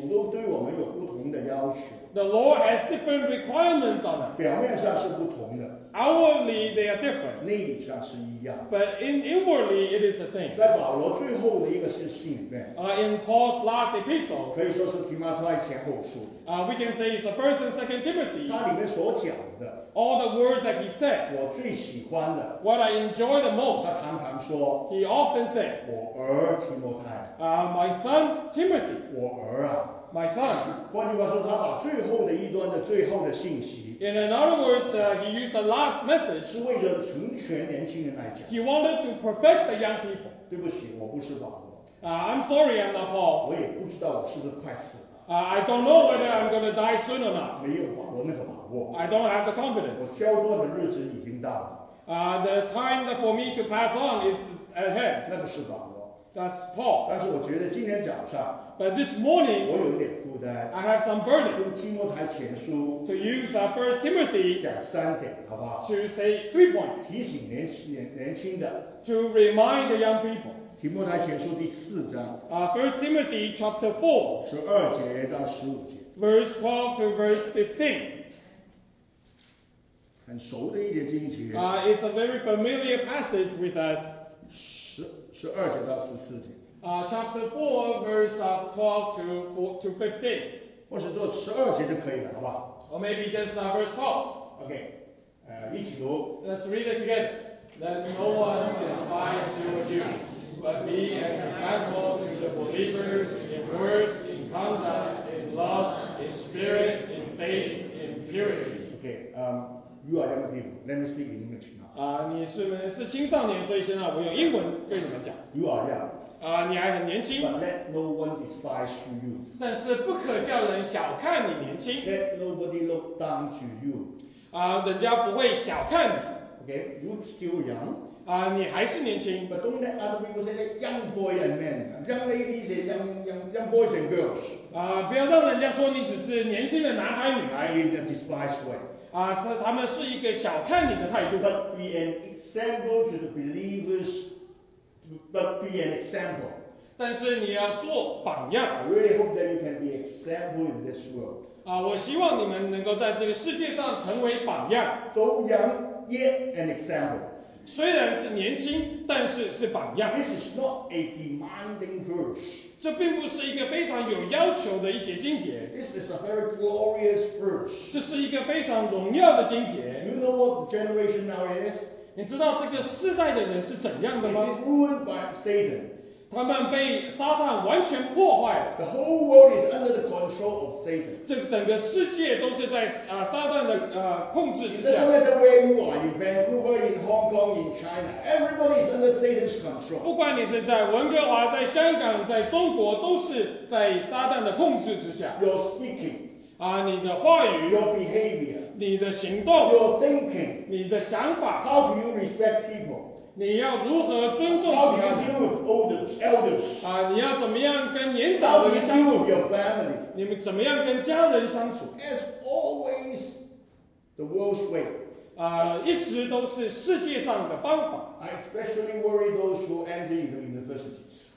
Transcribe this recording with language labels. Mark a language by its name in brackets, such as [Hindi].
[Chinese] 主都对我们有不同的要求。 [English] The Lord has different requirements on us. [Chinese] 表面上是不同的。 [English] Outwardly, they are different. [Chinese] 内里上是一样。 [English] But inwardly, it is the same. [Chinese] 在保罗最后的一个信里面。 [English] In Paul's last epistle. [Chinese] 可以说是提摩太前后书。 [English] We can say it's the first and second Timothy. [Chinese] 它里面所讲的。 [English] All the words that he said. [Chinese] 我最喜欢的。 [English] What I enjoy the most. [Chinese] 他常常说。 [English] He often said. [Chinese] 我儿提摩太。 [English] My son Timothy. [Chinese] 我儿啊。 [English] My son， [Chinese] 换句话说，他把最后的一段的最后的信息。 [English] In other words, he used the last message， [Chinese] 是为了成全年轻人来讲。 [English] He wanted to perfect the young people。 [Chinese] 对不起，我不是保罗。 [English] I'm sorry, I'm not Paul。 [Chinese] 我也不知道我是不是快死了。 [English] I don't know whether I'm going to die soon or not。 [Chinese] 没有保罗那个把握。 [English] I don't have the confidence。 [Chinese] 我交托的日子已经到了。 [English] The time for me to pass on is ahead。 [Chinese] 那个是保罗。 [English] That's Paul。 [Chinese] 但是我觉得今天早上。 [English] But this morning, [Chinese] 我有点负担。 [English] I have some burden. [Chinese] 用提摩太前书 [English] to use that First Timothy. [Chinese] 讲三点，好不好 [English] ？To say three points. [Chinese] 提醒年轻的。 [English] To remind the young people. [Chinese] 提摩太前书第四章。 [English] First Timothy chapter 4. [Chinese] 十二节到十五节。 [English] Verse 12 to verse 15. [Chinese] 很熟的一节经节。 [English] It's a very familiar passage with us. [Chinese] 十二节到十四节。 [English] Chapter 4, verse 12 to 15. [Chinese] 或是做十二节就可以了，好不好 [English] ？Or maybe just verse 12. [Chinese] Okay. 一起读。 [English] Let's read it together. Let no one despise your youth, but be an example to the believers in words, in conduct, in love, in spirit, in faith, in purity. Okay. You are young people. Let me speak in English now. [Chinese] 你是青少年，所以现在我用英文跟你们讲。 [English] You are young. [Chinese] 你还很年轻。 [English] But let no one despise your youth. [Chinese] 但是不可叫人小看你年轻。 [English] Let nobody look down to you. [Chinese] 人家不会小看你。 [English] Okay, you're still young. [Chinese] 你还是年轻。 [English] But don't let other people say that young boy and men, young ladies and young boys and girls. [Chinese] 不要让人家说你只是年轻的男孩女孩。 [English] In a despised way. [Chinese] 他们是一个小看你的态度。 [English] But be an example to the believers. But be an example. [Chinese] 但是你要做榜样。 [English] I really hope that you can be example in this world. [Chinese] 我希望你们能够在这个世界上成为榜样。 [English] Though young, yet an example. [Chinese] 虽然是年轻，但是是榜样。 [English] This is not a demanding verse. [Chinese] 这并不是一个非常有要求的一节经节。 [English] This is a very glorious verse. [Chinese] 这是一个非常荣耀的经节。 [English] You know what generation now is? [Chinese] 你知道这个世代的人是怎样的吗？ [English] Is it ruined by Satan? [Chinese] 他们被撒旦完全破坏了。 [English] The whole world is under the control of Satan. [Chinese] 这整个世界都是在撒旦的控制之下。 [English] It doesn't matter where you are, in Vancouver, in Hong Kong, in China, everybody is under Satan's control. [Chinese] 不管你是在温哥华、在香港、在中国，都是在撒旦的控制之下。 [English] Your speaking. [Chinese] 你的话语。 [English] Your behavior. [Chinese] 你的行动 [English] your thinking, [Chinese] 你的想法 [English] how do you respect people? [Chinese] 你要如何尊重 [English] how do you deal with elders, [Chinese] 你要怎么样跟年长人相处 [English] how do you deal with your family? [Chinese] 你们怎么样跟家人相处 [English] as always the world's way, [Chinese] 一直都是世界上的方法 [English] I especially worry those who enter the universities,